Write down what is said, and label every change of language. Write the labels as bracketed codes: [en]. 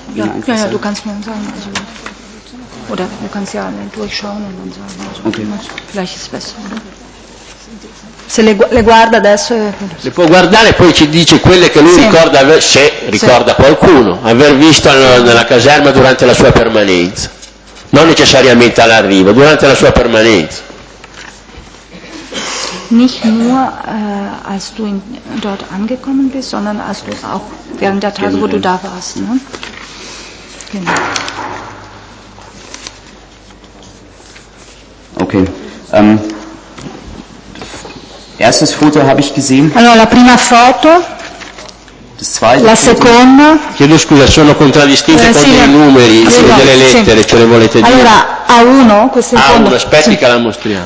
[de] Ja, du kannst mir dann sagen. Also, oder du kannst ja durchschauen und dann sagen. Also, okay. Vielleicht ist es besser. [it] Ne? Se le guarda adesso le può guardare e poi ci dice quelle che lui sì. Ricorda se ricorda sì. Qualcuno aver visto nella caserma durante la sua permanenza, non necessariamente all'arrivo, durante la sua permanenza. [de] Nicht nur als du dort angekommen bist, sondern als du auch während der Tage, wo du da warst, ne? Genau. Okay. Erstes Foto habe ich gesehen. [it] Allora, la prima foto. [de] Das zweite [it] la foto. Seconda. Chiedo scusa, sono contraddistinte con dei numeri, con delle lettere, sì. Ce le volete dire? Allora, A1, questa è A1, aspetti sì. Che la mostriamo.